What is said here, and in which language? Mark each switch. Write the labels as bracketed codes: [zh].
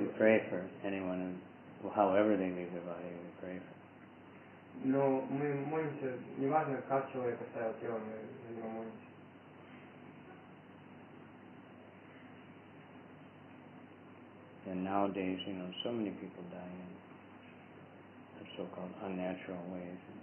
[en] We pray for anyone, however they leave their body, we pray for. [ru] Но мы молимся, неважно, как человек оставил тело, мы за него молимся. [en] And nowadays, you know, so many people die in so-called unnatural ways.